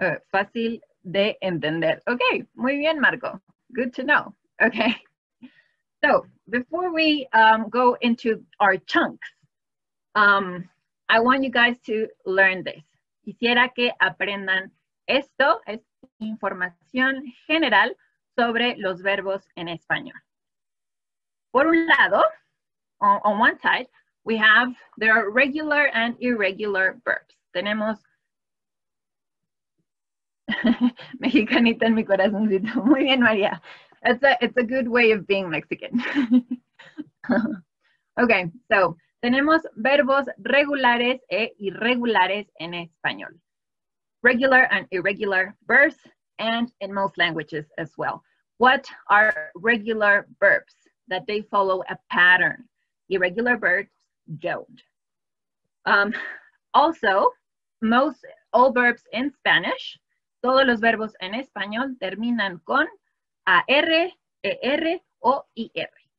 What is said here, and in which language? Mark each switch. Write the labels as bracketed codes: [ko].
[es] Fácil de entender. Okay, muy bien, Marco. [en] Good to know. [es] Okay. [en] So, before we go into our chunks, I want you guys to learn this. [es] Quisiera que aprendan esto, es información general sobre los verbos en español. Por un lado, [en] on one side, we have there are regular and irregular verbs. [es] Tenemos Mexicanita en mi corazoncito. Muy bien, María. [en] It's a good way of being Mexican. [es] Okay, so tenemos verbos regulares e irregulares en español. [en] Regular and irregular verbs, and in most languages as well. What are regular verbs? That they follow a pattern. Irregular verbs don't. Also, most all verbs in Spanish, [es] todos los verbos en español terminan con AR, ER, o IR.